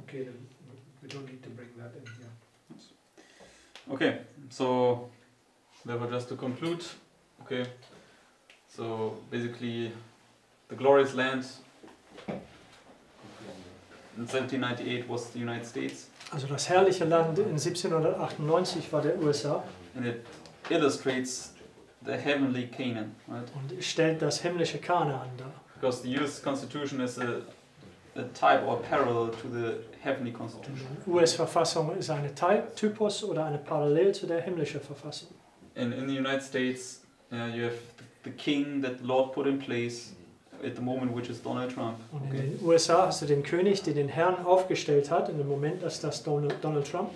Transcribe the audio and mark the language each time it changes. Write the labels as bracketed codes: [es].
[en] Okay, then we don't need to bring that in here. Yeah. Okay, so therefore, just to conclude, okay, so basically, the Glorious Land in 1798 was the United States. [de] Also das herrliche Land in 1798 war der USA. [en] And it illustrates the heavenly Canaan, right? [de] Und stellt das himmlische Kanaan dar. [en] Because the US Constitution is a type or a parallel to the heavenly Constitution. [de] Die US-Verfassung ist eine Typus oder eine Parallel zu der himmlischen Verfassung. [en] And in the United States, you have the king that the Lord put in place at the moment, which is Donald Trump. [de] Und okay. In den USA hast du den König, der den Herrn aufgestellt hat, in dem Moment, dass das Donald Trump.